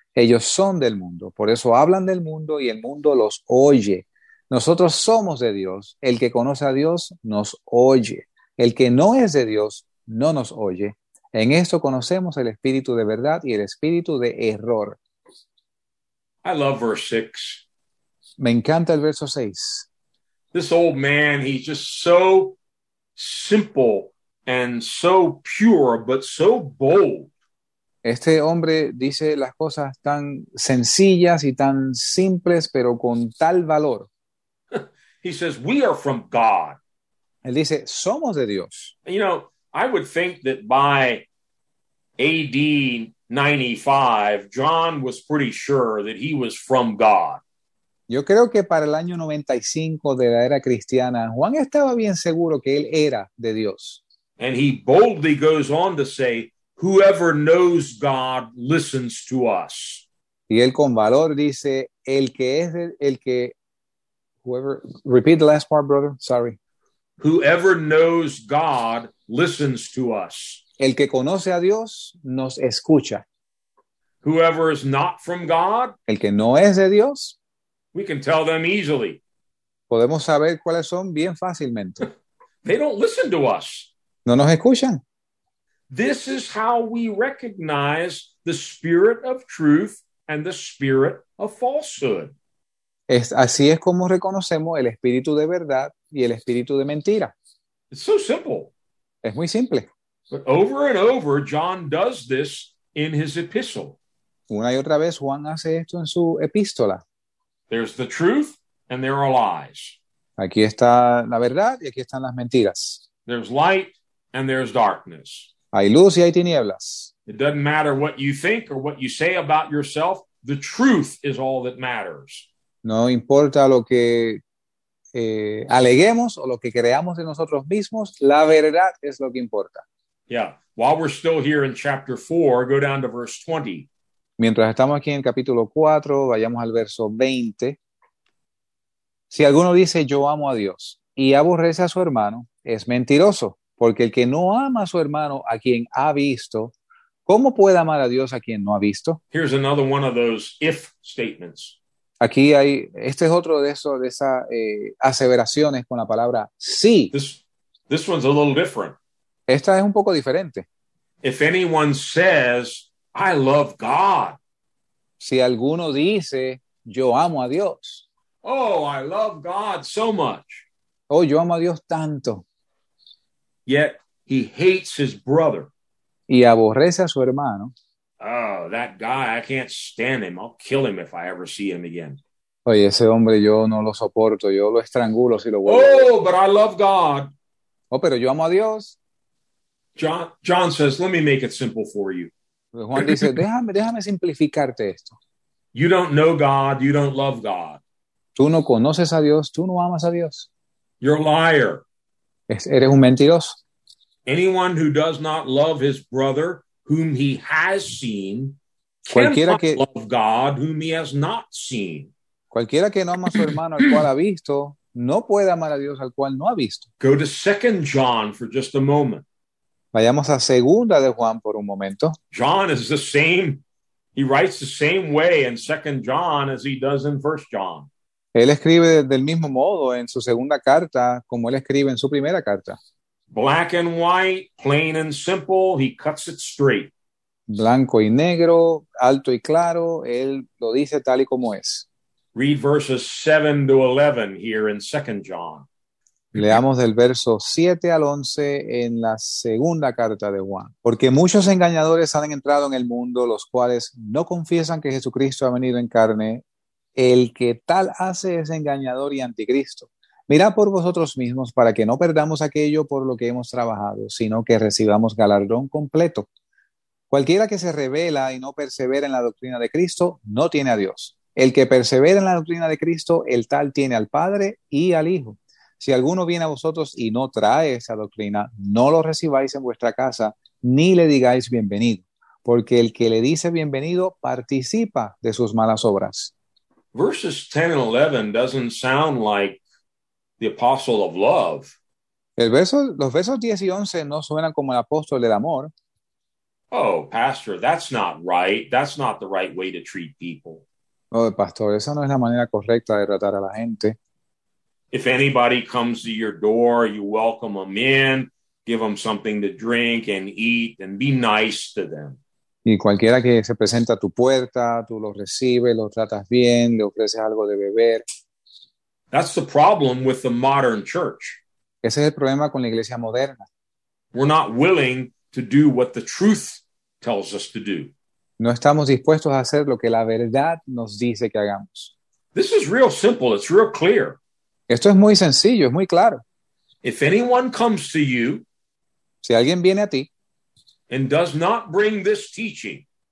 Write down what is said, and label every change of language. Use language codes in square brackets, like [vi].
[es] Ellos son del mundo, por eso hablan del mundo y el mundo los oye. Nosotros somos de Dios. El que conoce a Dios nos oye. El que no es de Dios no nos oye. En esto conocemos el espíritu de verdad y el espíritu de error. [en] I love verse 6. [es] Me encanta el verso 6. [en] This old man, he's just so simple and so pure, but so bold. [es] Este hombre dice las cosas tan sencillas y tan simples, pero con tal valor. [en] He says, we are from God. [es] Él dice, somos de Dios. [en] You know, I would think that by AD 95, John was pretty sure that he was from God. [es] Yo creo que para el año 95 de la era cristiana, Juan estaba bien seguro que él era de Dios. [en] And he boldly goes on to say, whoever knows God listens to us. [es] Y él con valor dice, el que es el que... [en] Whoever, repeat the last part, brother. Sorry. Whoever knows God listens to us. [es] El que conoce a Dios nos escucha. [en] Whoever is not from God. [es] El que no es de Dios. [en] We can tell them easily. [es] Podemos saber cuáles son bien fácilmente. [en] They don't listen to us. [es] No nos escuchan. [en] This is how we recognize the spirit of truth and the spirit of falsehood. [es] Así es como reconocemos el espíritu de verdad y el espíritu de mentira. [en] It's so simple. [es] Es muy simple. [en] But over and over, John does this in his epistle. [es] Una y otra vez, Juan hace esto en su epístola. [en] There's the truth and there are lies. [es] Aquí está la verdad y aquí están las mentiras. [en] There's light and there's darkness. [es] Hay luz y hay tinieblas. [en] It doesn't matter what you think or what you say about yourself. The truth is all that matters. [es] No importa lo que aleguemos o lo que creamos de nosotros mismos, la verdad es lo que importa. [en] Yeah, while we're still here in chapter 4, go down to verse 20. [es] Mientras estamos aquí en el capítulo 4, vayamos al verso 20. Si alguno dice, yo amo a Dios, y aborrece a su hermano, es mentiroso, porque el que no ama a su hermano a quien ha visto, ¿cómo puede amar a Dios a quien no ha visto? [en] Here's another one of those if statements. [es] Aquí hay, este es otro de esas aseveraciones con la palabra sí. [en] This one's a little different. [es] Esta es un poco diferente. [en] If anyone says, I love God. [es] Si alguno dice, yo amo a Dios. [en] Oh, I love God so much. [es] Oh, yo amo a Dios tanto. [en] Yet he hates his brother. [es] Y aborrece a su hermano. [en] Oh, that guy, I can't stand him. I'll kill him if I ever see him again. [es] Oye, ese hombre yo no lo soporto. Yo lo estrangulo si lo vuelvo. [en] Oh, but I love God. [es] Oh, pero yo amo a Dios. [en] John says, let me make it simple for you. [es] Juan dice, déjame simplificarte esto. [en] You don't know God, you don't love God. [es] Tú no conoces a Dios, tú no amas a Dios. [en] You're a liar. [es] Eres un mentiroso. [en] Anyone who does not love his brother whom he has seen, [es] cualquiera que [en] love God whom he has not seen. [es] Cualquiera que no ama a su hermano al cual ha visto, no puede amar a Dios al cual no ha visto. [en] Go to 2 John for just a moment. [es] Vayamos a segunda de Juan por un momento. [en] John is the same. He writes the same way in 2 John as he does in 1 John. [es] Él escribe del mismo modo en su segunda carta como él escribe en su primera carta. [en] Black and white, plain and simple, he cuts it straight. [es] Blanco y negro, alto y claro, él lo dice tal y como es. [en] Read verses 7 to 11 here in 2 John. [es] Leamos del verso 7 al 11 en la segunda carta de Juan. Porque muchos engañadores han entrado en el mundo, los cuales no confiesan que Jesucristo ha venido en carne, El que tal hace es engañador y anticristo. Mirad por vosotros mismos para que no perdamos aquello por lo que hemos trabajado, sino que recibamos galardón completo. Cualquiera que se rebela y no persevera en la doctrina de Cristo no tiene a Dios. El que persevera en la doctrina de Cristo, el tal tiene al Padre y al Hijo. Si alguno viene a vosotros y no trae esa doctrina, no lo recibáis en vuestra casa ni le digáis bienvenido, porque el que le dice bienvenido participa de sus malas obras. [en] Verses 10 and 11 doesn't sound like the apostle of love. [es] Los versos 10 y 11 no suenan como el apóstol del amor. [en] Oh, pastor, that's not right. That's not the right way to treat people. [es] Oh, pastor, esa no es la manera correcta de tratar a la gente. [en] If anybody comes to your door, you welcome them in, give them something to drink and eat, and be nice to them. [es] Y cualquiera que se presenta a tu puerta, tú lo recibes, lo tratas bien, le ofreces algo de beber. [en] That's the problem with the modern church. [es] Ese es el problema con la iglesia moderna. [en] We're not willing to do what the truth tells us to do. [es] No estamos dispuestos a hacer lo que la verdad nos dice que hagamos. [en] This is real simple, it's real clear. [es] Esto es muy sencillo, es muy claro. [en] If anyone comes to you [es] Si alguien viene a ti [en] and does not bring this teaching,